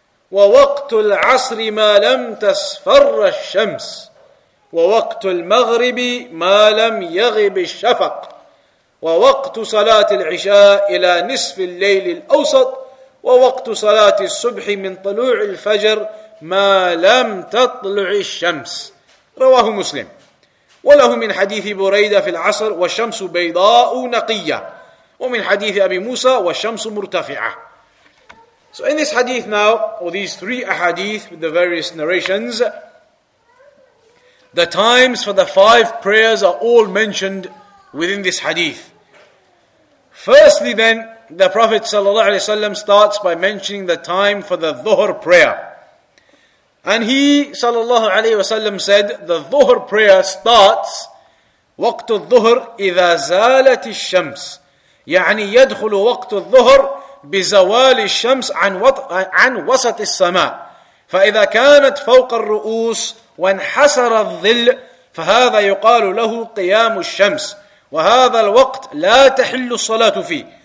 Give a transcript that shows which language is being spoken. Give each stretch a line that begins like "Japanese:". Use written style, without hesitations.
Arabic: wa waqtu al-'asr ma lam tasfar ash-shams ووقت المغرب ما لم يغب الشفق ووقت صلاة العشاء إلى نصف الليل الأوسط ووقت صلاة الصبح من طلوع الفجر ما لم تطلع الشمس رواه مسلم وله من حديث بريدة في العصر والشمس بيضاء نقية ومن حديث أبي موسى والشمس مرتفعة.
English: So in this hadith now, or these three ahadith with the various narrations, the times for the five prayers are all mentioned within this hadith. Firstly then, the Prophet ﷺ starts by mentioning the time for the dhuhr prayer. And he ﷺ said, the dhuhr prayer starts,
Arabic: وَقْتُ الظُّهْرِ إِذَا زَالَتِ الشَّمْسِ يَعْنِي يَدْخُلُ وَقْتُ الظُّهْرِ بِزَوَالِ الشَّمْسِ عَنْ وَسَطِ السَّمَاءِ فَإِذَا كَانَتْ فَوْقَ الرُّؤُوسِ وانحسر الظل فهذا يقال له قيام الشمس وهذا الوقت لا تحل الصلاة فيه